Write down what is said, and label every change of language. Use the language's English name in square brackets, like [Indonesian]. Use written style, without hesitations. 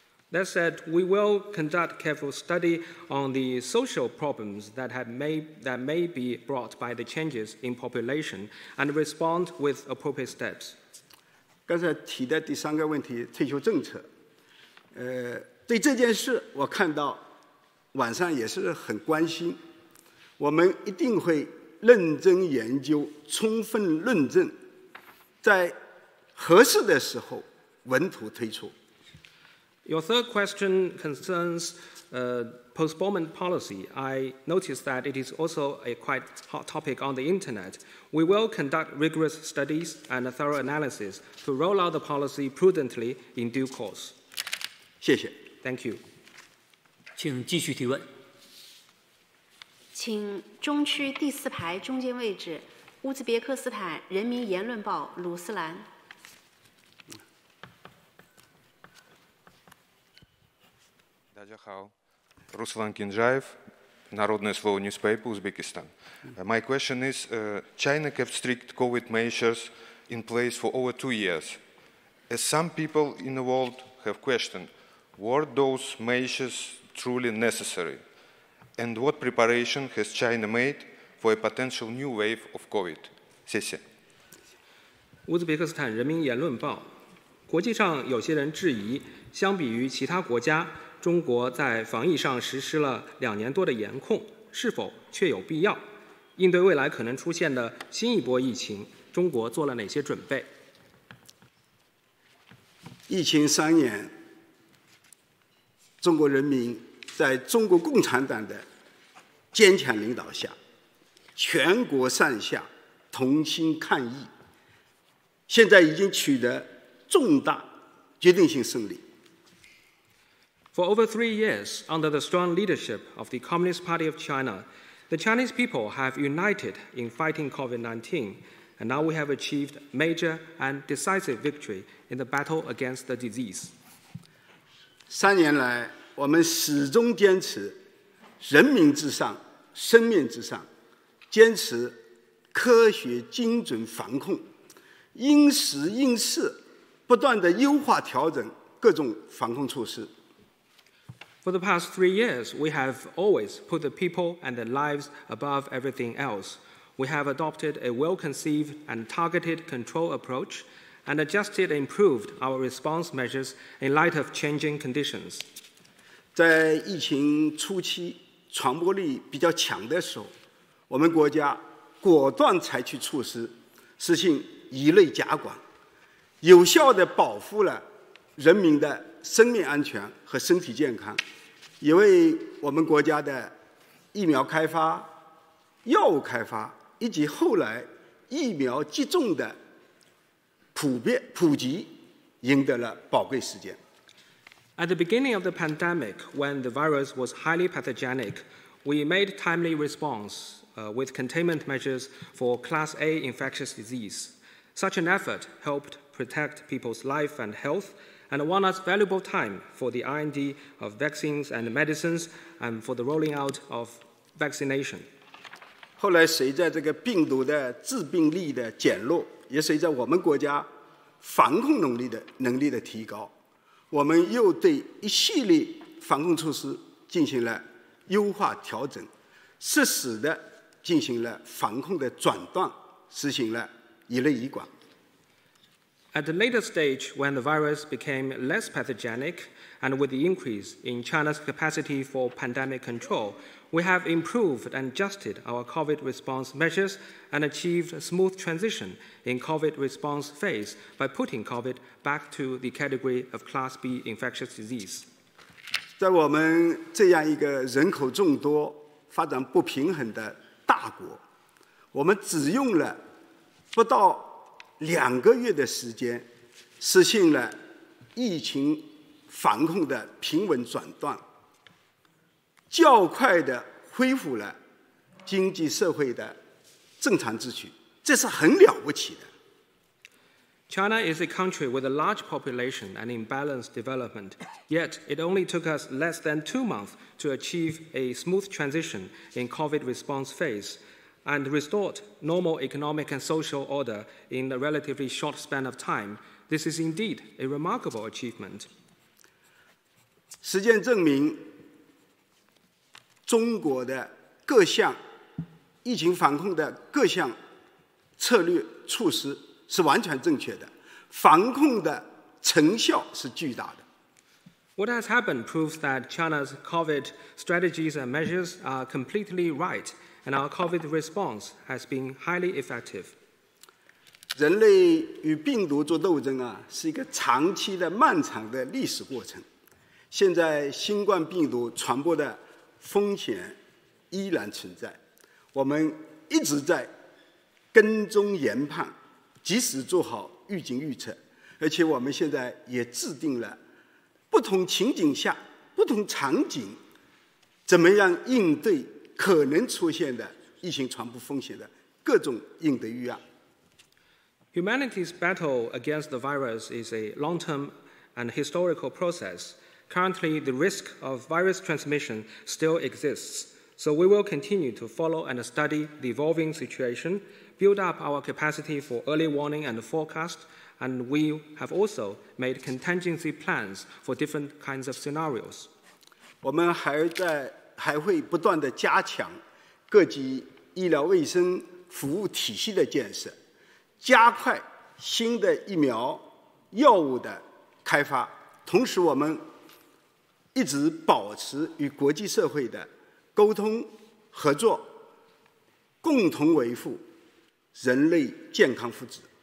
[English] That said, we will conduct careful study on the social problems that may be brought by the changes in population and respond with appropriate steps. [Chinese] 刚才提的第三个问题，退休政策，对这件事，我看到晚上也是很关心。我们一定会认真研究，充分论证，在合适的时候稳妥推出。 [English] Your third question concerns postponement policy. I noticed that it is also a quite hot topic on the internet. We will conduct rigorous studies and a thorough analysis to roll out the policy prudently in due course. [Chinese] 谢谢。 [English] Thank you. [Chinese] 请继续提问。请中区第四排中间位置，乌兹别克斯坦《人民言论报》鲁斯兰。 [English] Ruslan Kinjaev, Narodnoye Slovo newspaper, Uzbekistan. My question is, China kept strict COVID measures in place for over 2 years. As some people in the world have questioned, were those measures truly necessary? And what preparation has China made for a potential new wave of COVID? [Chinese] 谢谢。 Uzbekistan 人民言论报。国际上有些人质疑，相比于其他国家，中国在防疫上实施了2年多的严控，是否确有必要？应对未来可能出现的新一波疫情，中国做了哪些准备？疫情3年，中国人民在中国共产党的坚强领导下，全国上下同心抗疫，现在已经取得重大决定性胜利。 [English] For over 3 years, under the strong leadership of the Communist Party of China, the Chinese people have united in fighting COVID-19, and now we have achieved major and decisive victory in the battle against the disease. [Chinese] 3年来，我们始终坚持人民至上、生命至上，坚持科学精准防控，因时因势不断地优化调整各种防控措施。 [English] For the past 3 years, we have always put the people and their lives above everything else. We have adopted a well-conceived and targeted control approach and adjusted and improved our response measures in light of changing conditions. [Chinese] 在疫情初期传播力比较强的时候，我们国家果断采取措施，实行一类加管，有效地保护了人民的生命安全和身体健康，也为我们国家的疫苗开发、药物开发以及后来疫苗接种的普及赢得了宝贵时间。 [English] At the beginning of the pandemic, when the virus was highly pathogenic, we made timely responsewith containment measures for Class A infectious disease. Such an effort helped protect people's life and health and won us valuable time for the R&D of vaccines and medicines and for the rolling out of vaccination. [Chinese] 后来随着这个病毒的致病力的减弱，也随着我们国家防控能力的提高，我们又对一系列防控措施进行了优化调整，适时的进行了防控的转段，实行了一类一管。 [English] At the later stage, when the virus became less pathogenic, and with the increase in China's capacity for pandemic control, we have improved and adjusted our COVID response measures and achieved a smooth transition in COVID response phase by putting COVID back to the category of Class B infectious disease. [Chinese] 在我们这样一个人口众多、发展不平衡的大国，我们只用了不到两个月的时间，实现了疫情防控的平稳转段，较快地恢复了经济社会的正常秩序，这是很了不起的。 [English] China is a country with a large population and imbalanced development, yet it only took us less than 2 months to achieve a smooth transition in COVID response phase and restored normal economic and social order in a relatively short span of time. This is indeed a remarkable achievement. [Chinese] 实践证明，中国的各项疫情防控的各项策略措施是完全正确的，防控的成效是巨大的。 [English] What has happened proves that China's COVID strategies and measures are completely right, and our COVID response has been highly effective. [Chinese] 人类与病毒做斗争啊，是一个长期的、漫长的历史过程。现在新冠病毒传播的风险依然存在，我们一直在跟踪研判，及时做好预警预测，而且我们现在也制定了不同情景下、不同场景怎么样应对可能出现的疫情传播风险的各种应对预案。 [English] Humanity's battle against the virus is a long-term and historical process. Currently, the risk of virus transmission still exists. So we will continue to follow and study the evolving situation. Build up our capacity for early warning and forecast, and we have also made contingency plans for different kinds of scenarios. [Chinese] 我们还会不断地加强各级医疗卫生服务体系的建设，加快新的疫苗药物的开发，同时我们一直保持与国际社会的沟通合作，共同维护人类健康福祉。